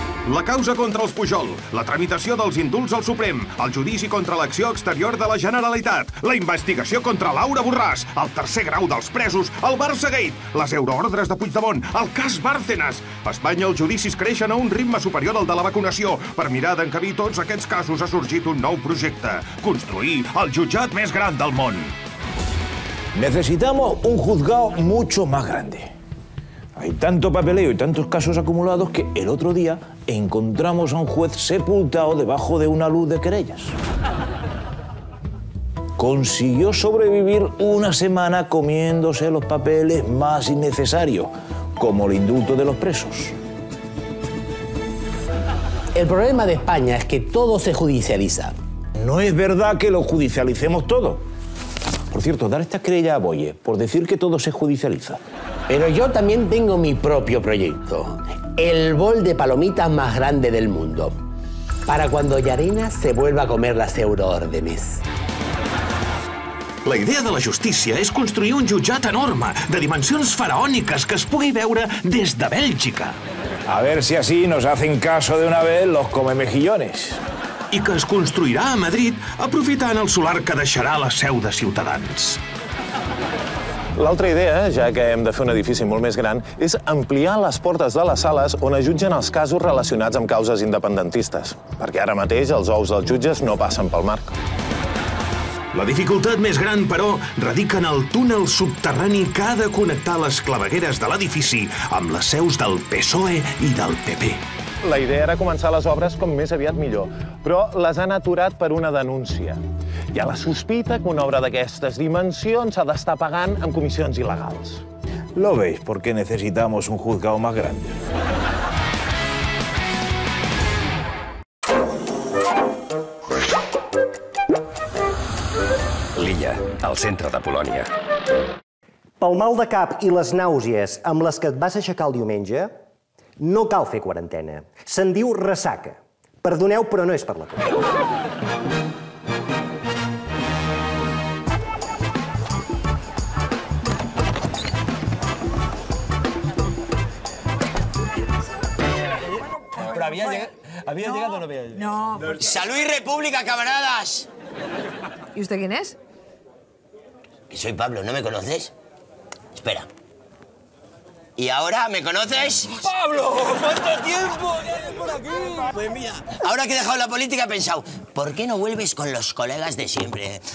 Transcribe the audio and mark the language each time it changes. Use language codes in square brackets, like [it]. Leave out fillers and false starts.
[ca] La causa contra els Pujol, la tramitació dels indults al Suprem, el judici contra l'acció exterior de la Generalitat, la investigació contra Laura Borràs, el tercer grau dels presos, el Barça-Gate, les euroordres de Puigdemont, el cas Bárcenas. A Espanya els judicis creixen a un ritme superior al de la vacunació. Per mirar d'encabir tots aquests casos ha sorgit un nou projecte. Construir el jutjat més gran del món. [es] Necesitamos un juzgado mucho más grande. Hay tanto papeleo y tantos casos acumulados que el otro día encontramos a un juez sepultado debajo de una luz de querellas. Consiguió sobrevivir una semana comiéndose los papeles más innecesarios, como el indulto de los presos. El problema de España es que todo se judicializa. No es verdad que lo judicialicemos todo. Por cierto, dar esta querella a Boye por decir que todo se judicializa. Pero yo también tengo mi propio proyecto. El bol de palomitas más grande del mundo. Para cuando Llarena se vuelva a comer las euroórdenes. [ca] La idea de la justícia és construir un jutjat enorme, de dimensions faraòniques, que es pugui veure des de Bèlgica. [es] A ver si así nos hacen caso de una vez los comemejillones. [ca] I que es construirà a Madrid, aprofitant el solar que deixarà la seu de Ciutadans. L'altra idea, ja que hem de fer un edifici molt més gran, és ampliar les portes de les sales on es jutgen els casos relacionats amb causes independentistes. Perquè ara mateix els ous dels jutges no passen pel marc. La dificultat més gran, però, radica en el túnel subterrani que ha de connectar les clavegueres de l'edifici amb les seus del PSOE i del PP. La idea era començar les obres com més aviat millor, però les han aturat per una denúncia. Hi ha la sospita que una obra d'aquestes dimensions s'ha d'estar pagant amb comissions il·legals. [es] Lo veis, porque necesitamos un juzgado más grande. [ca] L'illa, al centre de Polònia. Pel mal de cap i les nàusees amb les que et vas aixecar el diumenge, no cal fer quarantena. Se'n diu ressaca. Perdoneu, però no és per la cosa. Però havia llegat, havia no. llegat o no havia llegat? No. [es] Salud y República, camaradas. ¿Y usted quién es? Que soy Pablo, ¿no me conoces? Espera. ¿Y ahora me conoces? ¡Pablo! ¡Cuánto tiempo! ¡Ya eres por aquí! Pues mira, ahora que he dejado la política he pensado, ¿por qué no vuelves con los colegas de siempre?